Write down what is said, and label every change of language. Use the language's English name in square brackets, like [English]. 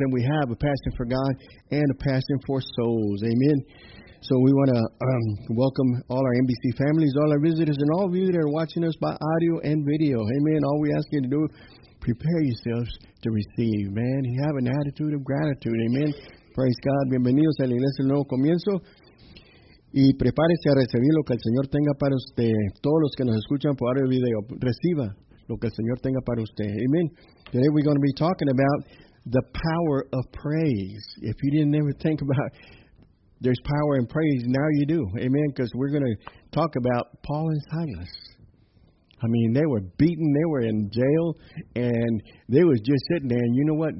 [English] And we have a passion for God and a passion for souls. Amen. So we want to welcome all our NBC families, all our visitors, and all of you that are watching us by audio and video. Amen. All we ask you to do is prepare yourselves to receive. Man, you have an attitude of gratitude. Amen. Praise God. [Spanish] Bienvenidos a la Iglesia del Nuevo Comienzo. Y prepárese a recibir lo que el Señor tenga para usted. Todos los que nos escuchan por audio y video, reciba lo que el Señor tenga para usted. [English] Amen. Today we're going to be talking about the power of praise. If you didn't ever think about there's power in praise, now you do. Amen. Because we're going to talk about Paul and Silas. I mean, they were beaten, they were in jail, and they was just sitting there. And you know what?